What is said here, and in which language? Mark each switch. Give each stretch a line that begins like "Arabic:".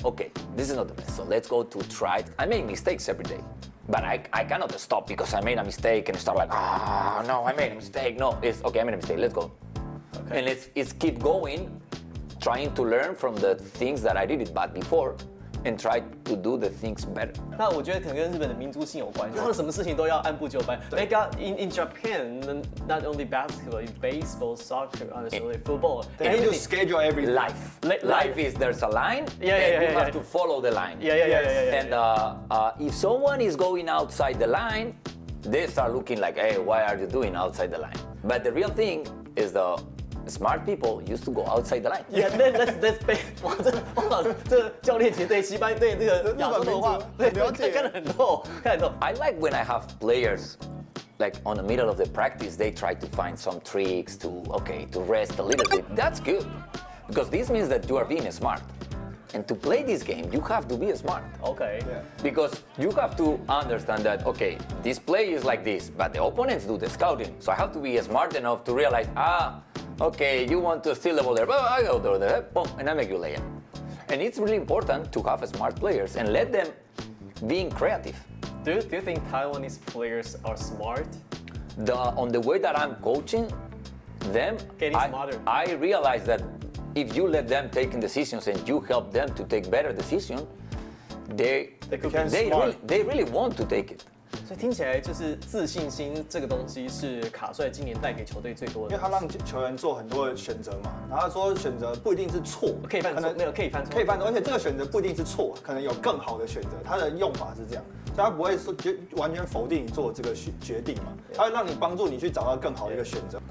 English: Okay, this is not the best, so let's go to try it. I make mistakes every day, but I cannot stop because I made a mistake and start like, no, I made a mistake. No, it's okay, I made a mistake, let's go. Okay. And it's keep going, trying to learn from the things that I did it bad before and try to do the things better.
Chinese: 那我觉得可能跟日本的民族性有关系，做什么事情都要按部就班。
English: In Japan, not only basketball, baseball, soccer, honestly, football. They need to schedule everything. Life is there's a line, and you have to follow the line. Yeah. And if someone is going outside the line, they start looking like, hey, why are you doing outside the line? But the real thing is the smart people used to go outside the line. Yeah, that's bad.
Chinese: 哇，这教练其实对西班牙对这个亚洲的话，对了解看得很透，看得很透。
English: I like when I have players. Like on the middle of the practice, they try to find some tricks to rest a little bit. That's good because this means that you are being smart. And to play this game, you have to be smart. Okay. Yeah. Because you have to understand that, okay, this play is like this, but the opponents do the scouting. So I have to be smart enough to realize, okay, you want to steal the ball there, but I go over there, boom, and I make you lay it. And it's really important to have smart players and let them be creative. Do you think Taiwanese players are smart? On the way that I'm coaching them, I realize that if you let them take decisions and you help them to take better decisions, they really want to take it.
Chinese: 所以听起来就是自信心这个东西是卡帅今年带给球队最多的，因为他让球员做很多的选择嘛，然后他说选择不一定是错，可以犯错，可能没有可以犯错，可以犯错，而且这个选择不一定是错，可能有更好的选择，他的用法是这样。他不会说完全否定你做这个决定嘛？他会让你帮助你去找到更好的一个选择。